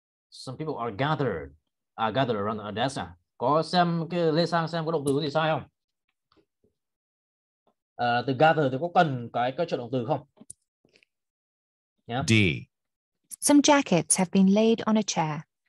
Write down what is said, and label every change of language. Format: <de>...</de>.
<en>Some people are gathered, gathered around a desk.</en> <vi>Có xem cái lê sang xem có động từ có gì sai không? Từ gather thì có cần cái chuẩn động từ không?</vi> <en>Yeah. D. Some jackets have been laid on a chair.</en>